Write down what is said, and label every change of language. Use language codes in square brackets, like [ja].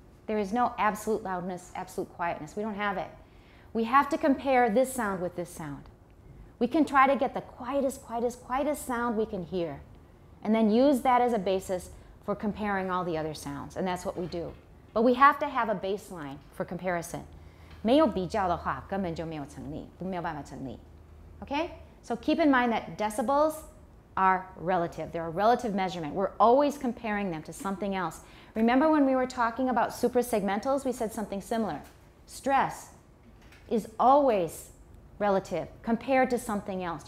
[en] There is no absolute loudness, absolute quietness. We don't have it. We have to compare this sound with this sound. We can try to get the quietest sound we can hear and then use that as a basis for comparing all the other sounds, and that's what we do. But we have to have a baseline for comparison. [zh] 没有比较的话根本就没有成立，没有办法成立。 [en] Okay? So keep in mind that decibels are relative. They're a relative measurement. We're always comparing them to something else. Remember when we were talking about suprasegmentals, we said something similar. Stress is always relative compared to something else.